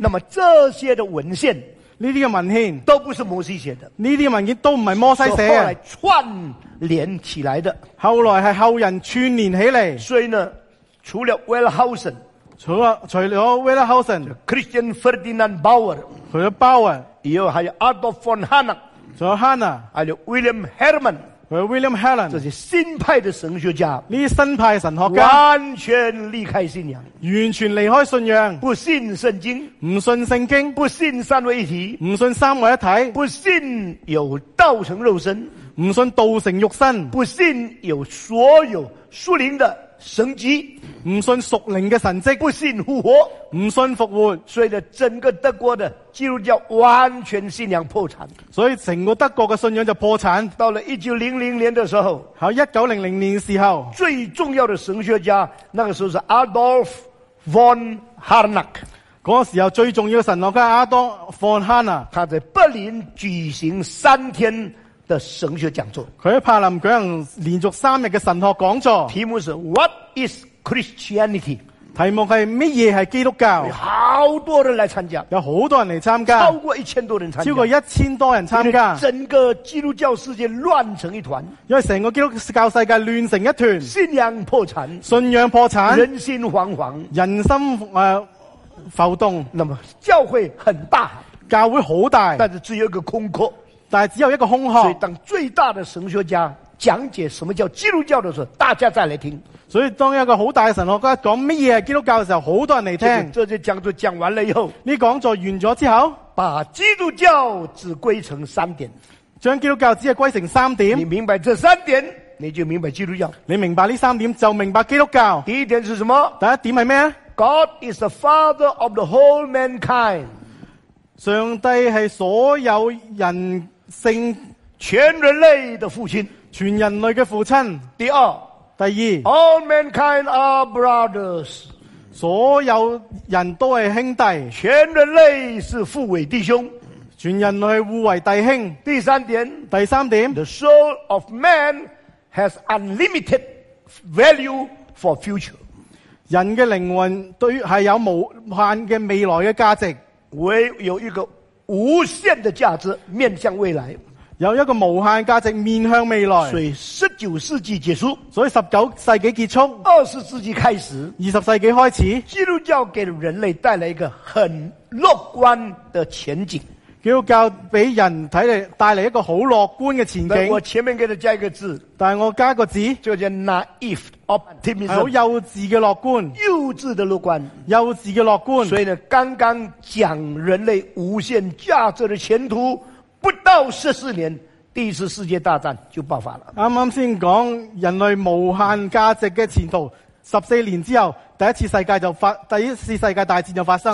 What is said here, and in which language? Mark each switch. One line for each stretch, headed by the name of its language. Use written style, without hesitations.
Chinese: 那么这些的文献，这些文献都不是摩西写的，这些文件都不是摩西写的，后来串联起来的，后来是后人串联起来。所以呢，除了 Wellhausen，除了 Wellhausen， Christian Ferdinand Bauer，除了 Bauer，以后还有 Adolf von Hanna，除了 Hanna，还有 William Hermann。和 William Helen，这些新派的神学家，这些新派神学家完全离开信仰，完全离开信仰，不信圣经，不信圣经，不信三位一体，不信三位一体，不信有道成肉身，不信道成肉身，不信有所有属灵的神迹，不信属灵的神迹，不信复活，不信复活。所以整个德国的基督教完全信仰破产，所以整个德国的信仰就破产。到了1900年的时候，好，1900年的时候，最重要的神学家，那个时候是 Adolf von Harnack，那个时候最重要的神学家 Adolf von Harnack，他在柏林举行三天的神学讲座，他在柏林举行连续三日的神学讲座，题目是
English: What is Christianity？
Chinese: 题目是什么是基督教，有好多人来参加，有好多人来参加，超过一千多人参加，超过一千多人参加，整个基督教世界乱成一团，因为整个基督教世界乱成一团，信仰破产，信仰破产，人心惶惶，人心浮动。那么教会很大，教会好大，但是只有一个空壳，但是只有一个空壳。所以当最大的神学家讲解什么叫基督教的时候，大家再来听。所以当一个好大的神学家讲什么是基督教的时候，好多人来听。这些讲座讲完了以后，你讲座完了之后，把基督教只归成三点，将基督教只归成三点，你明白这三点你就明白基督教，你明白这三点就明白基督教。第一点是什么？第一点是什么？
English: God is the father of the whole mankind，
Chinese: 上帝是所有人性全人类的父亲，全人类的父亲。第二，第二
English: ，All mankind are brothers，
Chinese: 所有人都是兄弟，全人类是互为弟兄，全人类互为弟兄。第三点，第三点
English: ，The soul of man has unlimited value for future，
Chinese: 人的灵魂对是有无限的未来的价值，会有一个无限的价值面向未来。有一个无限价值面向未来，所以十九世纪结束，所以十九世纪结束，二十世纪开始，二十世纪开始，基督教给人类带来一个很乐观的前景，基督教给人带来一个很乐观的前景。我前面给他加一个字，但我加个字，就叫
English: naive optimism，
Chinese: 有幼稚的乐观，幼稚的乐观，幼稚的乐观。所以呢，刚刚讲人类无限价值的前途，不到14年第一次世界大战就爆发了。刚刚先讲人类无限价值的前途，14年之后第一次世界大战就发生，